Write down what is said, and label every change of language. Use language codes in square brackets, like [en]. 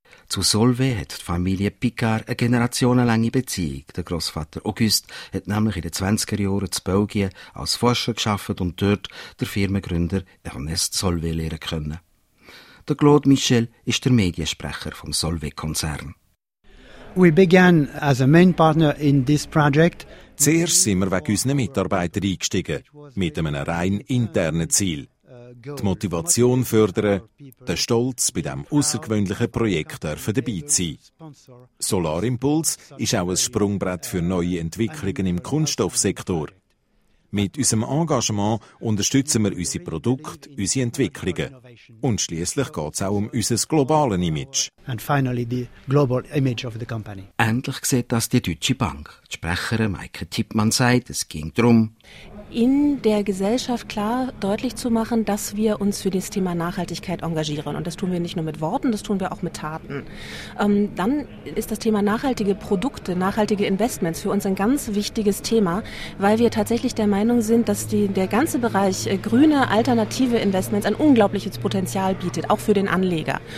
[de] Zu Solvay hat die Familie Picard eine generationenlange Beziehung. Der Grossvater Auguste hat nämlich in den 20er Jahren in Belgien als Forscher gearbeitet und dort der Firmengründer Ernest Solvay lehren können. Der Claude Michel ist der Mediensprecher vom Solvay-Konzern. [en] We began as a main partner in this project. [de] Zuerst sind wir wegen unseren Mitarbeitern eingestiegen, mit einem rein internen Ziel. Die Motivation fördern, den Stolz bei diesem außergewöhnlichen Projekt dürfen dabei sein. Solarimpuls ist auch ein Sprungbrett für neue Entwicklungen im Kunststoffsektor. Mit unserem Engagement unterstützen wir unsere Produkte, unsere Entwicklungen. Und schliesslich geht es auch um unser globales Image. [en] And finally the global image of the company. [de] Ähnlich sieht das die Deutsche Bank. Die Sprecherin Maike Tippmann sagt, es ging darum, in der Gesellschaft klar deutlich zu machen, dass wir uns für das Thema Nachhaltigkeit engagieren. Und das tun wir nicht nur mit Worten, das tun wir auch mit Taten. Dann ist das Thema nachhaltige Produkte, nachhaltige Investments für uns ein ganz wichtiges Thema, weil wir tatsächlich der Meinung sind, dass der ganze Bereich grüne alternative Investments ein unglaubliches Potenzial bietet, auch für den Anleger.